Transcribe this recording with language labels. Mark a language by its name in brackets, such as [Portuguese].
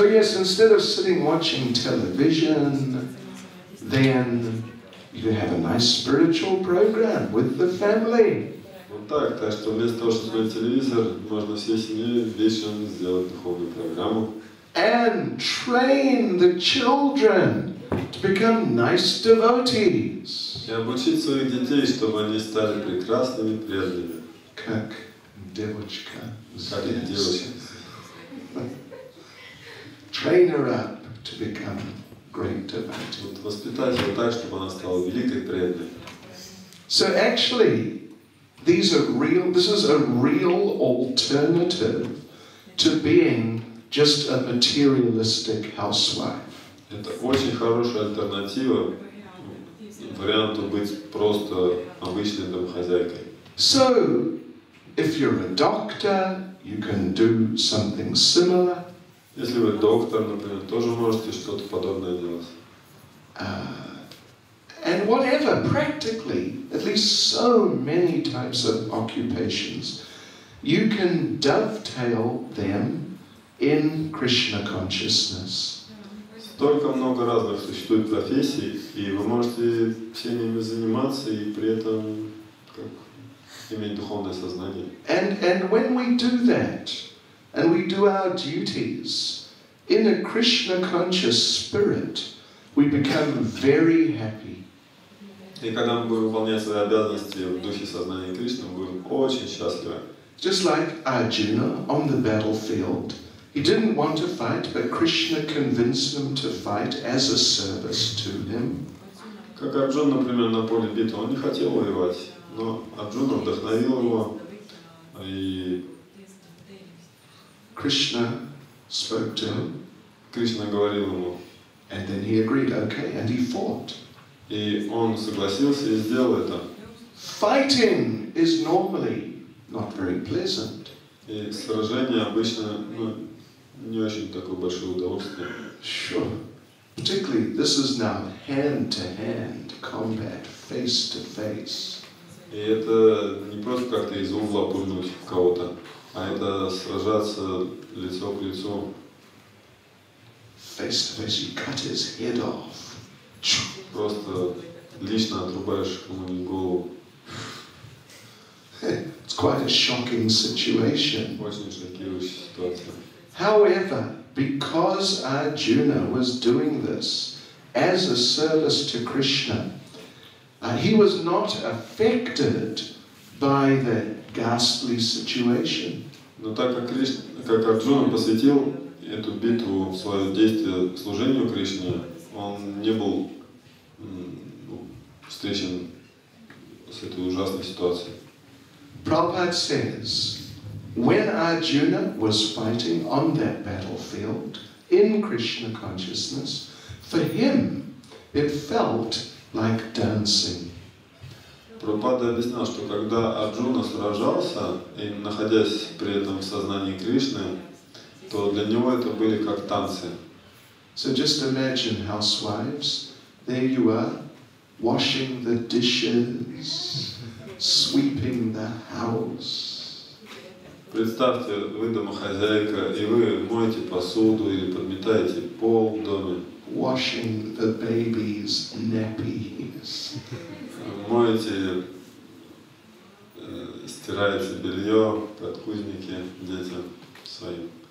[English] So yes, instead of sitting watching television, then you have a nice spiritual program with the family. [Russian] Так, так что вместо того, чтобы смотреть телевизор, можно всей семьей вечером сделать духовную программу. [English] And train the children to become nice devotees. [Russian] И обучить своих детей, чтобы они стали прекрасными преданными. Как девочка. Как девочка. [English] Train her up to become great devotees. [Russian] Вот воспитать ее так, чтобы она стала великой преданной. [English] So actually, This is a real alternative to being just a materialistic housewife. [Russian] Это очень хорошая альтернатива варианту быть просто обычной домохозяйкой. [English] So, if you're a doctor, you can do something similar. [Russian] Если вы доктор, например, тоже можете что-то подобное делать. [English] And whatever, practically, at least so many types of occupations, you can dovetail them in Krishna consciousness. [Russian] Столько много разных существует профессий, и вы можете всеми ими заниматься и при этом как, иметь духовное сознание. [English] And when we do that, and we do our duties in a Krishna conscious spirit, we become very happy. [Russian] И когда мы будем выполнять свои обязанности в духе сознания Кришны, мы будем очень счастливы. [English] Just like Arjuna on the battlefield, he didn't want to fight, but Krishna convinced him to fight as a service to him. [Russian] Как Арджун, например, на поле битвы, он не хотел воевать, но Арджуна вдохновил его, и [English] Krishna spoke to him. [Russian] Кришна говорил ему. [English] And then he agreed, okay, and he fought. [Russian] И он согласился и сделал это. [English] Fighting is normally not very pleasant. [Russian] И сражение обычно ну, не очень такое большое удовольствие. [English] Sure. Particularly this is now hand-to-hand combat, face-to-face. [Russian] И это не просто как-то из угла пульнуть в кого-то, а это сражаться лицо к лицу. [English] Face-to-face, you cut his head off. [Russian] Просто лично отрубаешь кому-нибудь голову. [English] It's quite a shocking situation. [Russian] Очень шокирующая ситуация. [English] However, because Arjuna was doing this as a service to Krishna, he was not affected by the ghastly situation. [Russian] Но так как Кришна, как Арджуна посвятил эту битву в свое действие служению Кришне, он не был встречен с этой ужасной ситуацией. [English] Prabhupada says, when Arjuna was fighting on that battlefield in Krishna consciousness, for him it felt like dancing. [Russian] Прабхупада объяснял, что когда Арджуна сражался и находясь при этом в сознании Кришны, то для него это были как танцы. [English] So just imagine housewives, there you are, washing the dishes, sweeping the house. [Russian] Представьте, вы домохозяйка, и вы моете посуду или подметаете пол в доме. [English] Washing the baby's nappies. [Russian] Моете, стираете белье, подгузники детям своим.